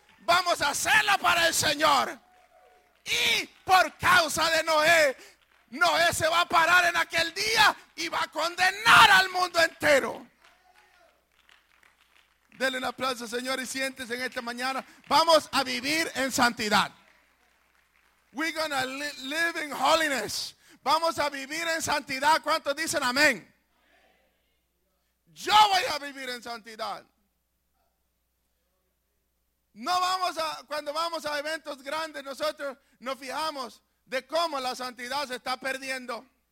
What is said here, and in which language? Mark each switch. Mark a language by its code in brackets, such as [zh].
[es] Vamos a hacerlo para el Señor. Y por causa de Noé, Noé se va a parar en aquel día y va a condenar al mundo entero. Denle un aplauso, Señor, y siéntese en esta mañana. Vamos a vivir en santidad. [en] We're gonna live in holiness. [es] Vamos a vivir en santidad. ¿Cuántos dicen amén? Yo voy a vivir en santidad. No vamos a, cuando vamos a eventos grandes, nosotros nos fijamos de cómo la santidad se está perdiendo.